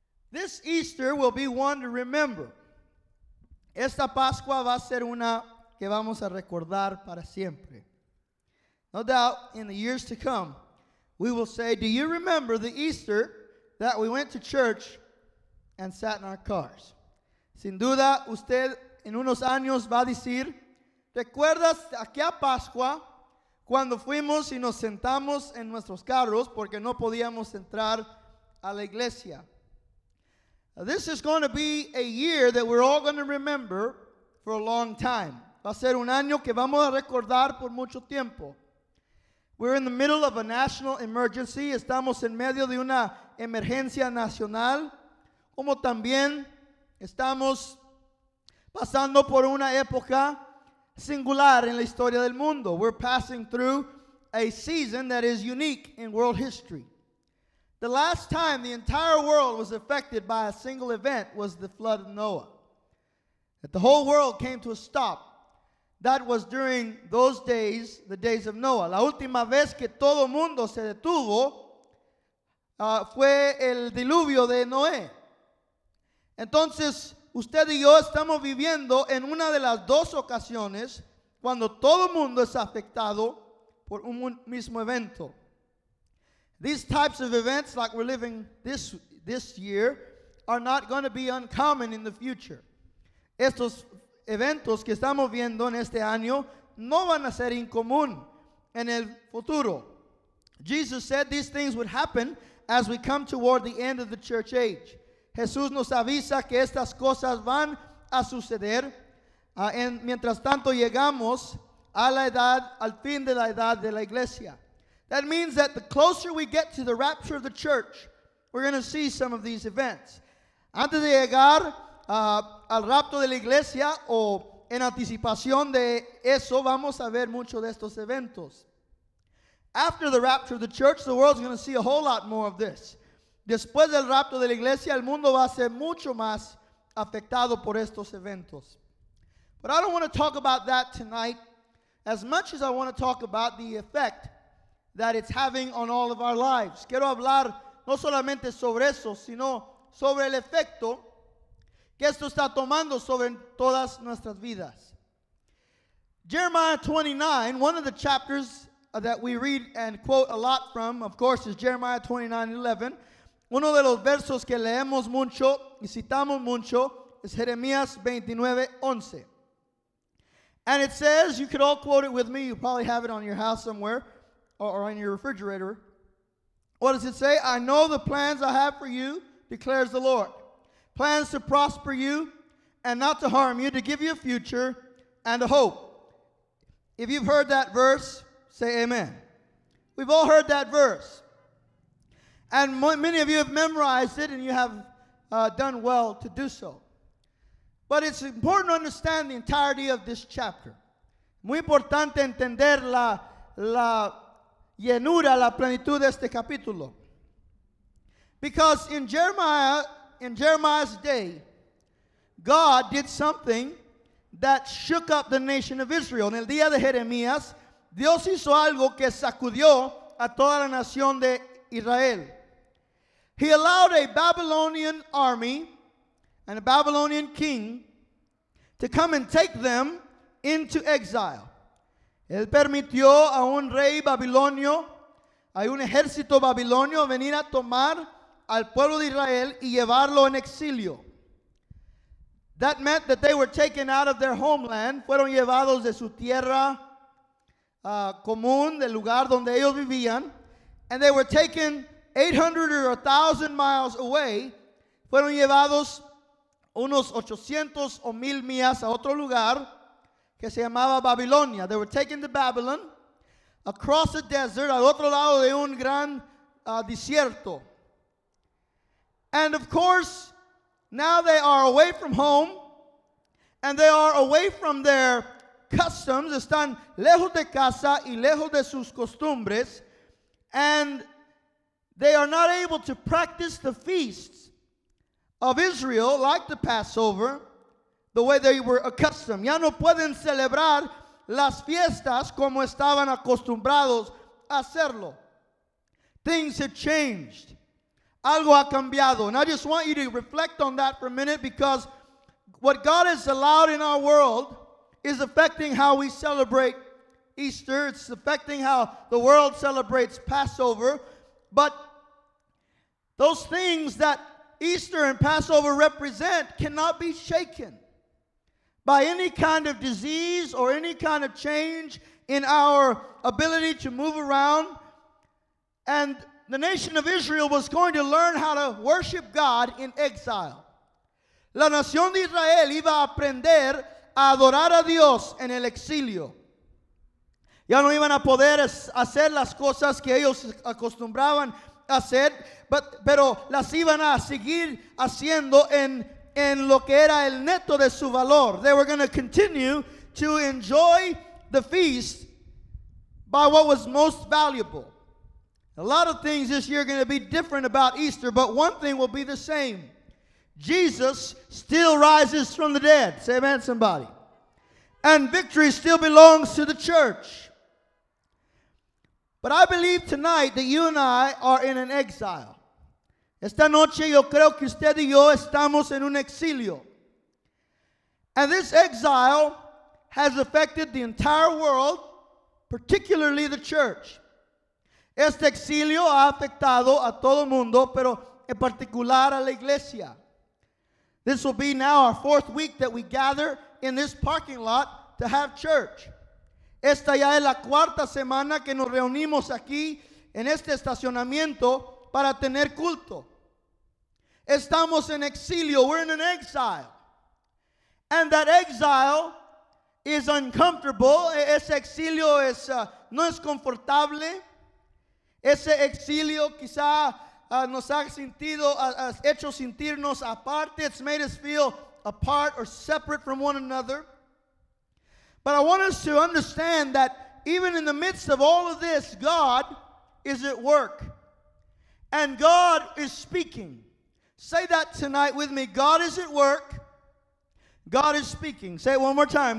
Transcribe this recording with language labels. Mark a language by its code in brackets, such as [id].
[en] This Easter will be one to remember. [es] Esta Pascua va a ser una que vamos a recordar para siempre. [en] No doubt, in the years to come, we will say, do you remember the Easter that we went to church and sat in our cars? [es] Sin duda, usted en unos años va a decir, ¿recuerdas aquella Pascua cuando fuimos y nos sentamos en nuestros carros porque no podíamos entrar a la iglesia? [en] Now, this is going to be a year that we're all going to remember for a long time. [es] Va a ser un año que vamos a recordar por mucho tiempo. [en] We're in the middle of a national emergency. [es] Estamos en medio de una emergencia nacional. Como también estamos pasando por una época singular en la historia del mundo. [en] We're passing through a season that is unique in world history. The last time the entire world was affected by a single event was the flood of Noah. That the whole world came to a stop. That was during those days, the days of Noah. [es] La última vez que todo mundo se detuvo fue el diluvio de Noé. Entonces, usted y yo estamos viviendo en una de las dos ocasiones cuando todo mundo es afectado por un mismo evento. [en] These types of events like we're living this year are not going to be uncommon in the future. [es] Estos eventos que estamos viendo en este año no van a ser incomún en el futuro. [en] Jesus said these things would happen as we come toward the end of the church age. [es] Jesús nos avisa que estas cosas van a suceder mientras tanto llegamos a la edad, al fin de la edad de la iglesia. [en] That means that the closer we get to the rapture of the church, we're going to see some of these events. [es] Antes de llegar al rapto de la iglesia o en anticipación de eso, vamos a ver mucho de estos eventos. [en] After the rapture of the church, the world's going to see a whole lot more of this. [es] Después del rapto de la iglesia, el mundo va a ser mucho más afectado por estos eventos. [en] But I don't want to talk about that tonight as much as I want to talk about the effect that it's having on all of our lives. [es] Quiero hablar no solamente sobre eso, sino sobre el efecto que esto está tomando sobre todas nuestras vidas. [en] Jeremiah 29, one of the chapters that we read and quote a lot from, of course, is Jeremiah 29:11. [es] Uno de los versos que leemos mucho y citamos mucho es Jeremías 29:11. [en] And it says, you could all quote it with me, you probably have it on your house somewhere, or in your refrigerator. What does it say? I know the plans I have for you, declares the Lord. Plans to prosper you and not to harm you, to give you a future and a hope. If you've heard that verse, say amen. We've all heard that verse. And many of you have memorized it and you have done well to do so. But it's important to understand the entirety of this chapter. [es] Muy importante entender la llenura, la plenitud de este capítulo. [en] Because in Jeremiah's day, God did something that shook up the nation of Israel. [es] En el día de Jeremías, Dios hizo algo que sacudió a toda la nación de Israel. [en] He allowed a Babylonian army and a Babylonian king to come and take them into exile. [es] Él permitió a un rey babilonio, a un ejército babilonio, venir a tomar al pueblo de Israel y llevarlo en exilio. [en] That meant that they were taken out of their homeland. [es] Fueron llevados de su tierra común, del lugar donde ellos vivían. [en] And they were taken 800 or 1,000 miles away. [es] Fueron llevados unos 800 o 1,000 millas a otro lugar que se llamaba Babilonia. [en] They were taken to Babylon, across the desert, [es] al otro lado de un gran desierto. [en] And of course, now they are away from home, and they are away from their customs. [es] Están lejos de casa y lejos de sus costumbres, [en] and they are not able to practice the feasts of Israel, like the Passover, the way they were accustomed. [es] Ya no pueden celebrar las fiestas como estaban acostumbrados a hacerlo. [en] Things have changed. [es] Algo ha cambiado. [en] And I just want you to reflect on that for a minute, because what God has allowed in our world is affecting how we celebrate Easter. It's affecting how the world celebrates Passover. But those things that Easter and Passover represent cannot be shaken by any kind of disease or any kind of change in our ability to move around. And the nation of Israel was going to learn how to worship God in exile. [es] La nación de Israel iba a aprender a adorar a Dios en el exilio. Ya no iban a poder hacer las cosas que ellos acostumbraban a hacer, pero las iban a seguir haciendo en lo que era el neto de su valor. [en] They were going to continue to enjoy the feast by what was most valuable. A lot of things this year are going to be different about Easter, but one thing will be the same. Jesus still rises from the dead. Say amen, somebody. And victory still belongs to the church. But I believe tonight that you and I are in an exile. [es] Esta noche yo creo que usted y yo estamos en un exilio. [en] And this exile has affected the entire world, particularly the church. [es] Este exilio ha afectado a todo mundo, pero en particular a la iglesia. [en] This will be now our fourth week that we gather in this parking lot to have church. [es] Esta ya es la cuarta semana que nos reunimos aquí en este estacionamiento para tener culto. Estamos en exilio. [en] We're in an exile. And that exile is uncomfortable. [es] Ese exilio no es confortable. Ese exilio quizá nos ha sentido, ha hecho sentirnos aparte. [en] It's made us feel apart or separate from one another. But I want us to understand that even in the midst of all of this, God is at work. And God is speaking. Say that tonight with me. God is at work. God is speaking. Say it one more time.